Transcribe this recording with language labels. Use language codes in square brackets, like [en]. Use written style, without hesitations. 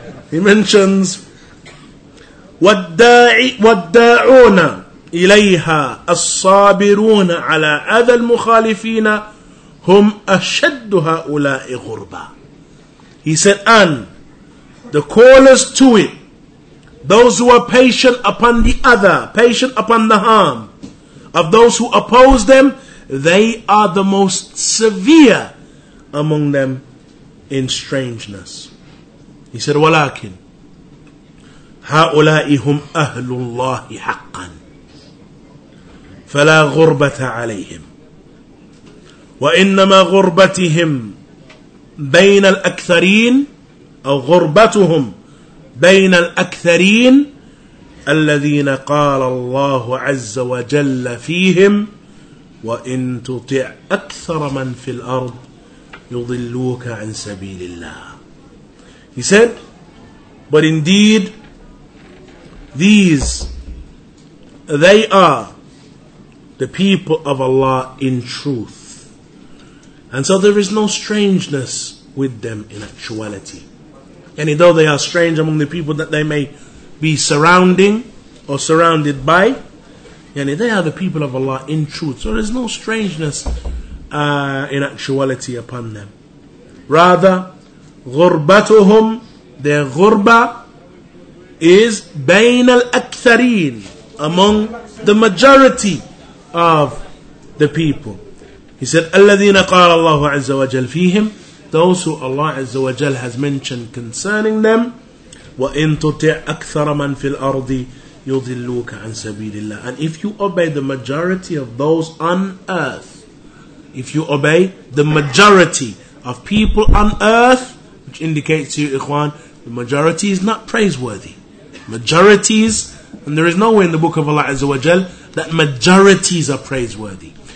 [en] He mentions [ar] والداعون إليها الصابرون على أذى المخالفين هم أشد هؤلاء غربا. [en] He said, and the callers to it, those who are patient upon the other, patient upon the harm of those who oppose them, they are the most severe among them in strangeness. He said, [ar] ولكن هؤلاء هم أهل الله حقا فلا غربة عليهم وإنما غربتهم بين الأكثرين أو غربتهم بين الأكثرين الذين قال الله عز وجل فيهم وإن تطع أكثر من في الأرض يضلوك عن سبيل الله. [en] He said, but indeed, these, they are the people of Allah in truth. And so there is no strangeness with them in actuality. And though they are strange among the people that they may be surrounding or surrounded by, yani they are the people of Allah in truth. So there is no strangeness in actuality upon them. Rather, غربتهم, their غربة, is [ar] بين الأكثرين, [en] among the majority of the people. He said [ar] الذين قال الله عز وجل فيهم, [en] those who Allah عز وجل has mentioned concerning them. [ar] وإن تطع أكثر من في الأرض يضلوك عن سبيل الله. [en] And if you obey the majority of those on earth, if you obey the majority of people on earth, which indicates to you, Ikhwan, the majority is not praiseworthy. Majorities, and there is nowhere in the book of Allah Azza wa Jal that majorities are praiseworthy.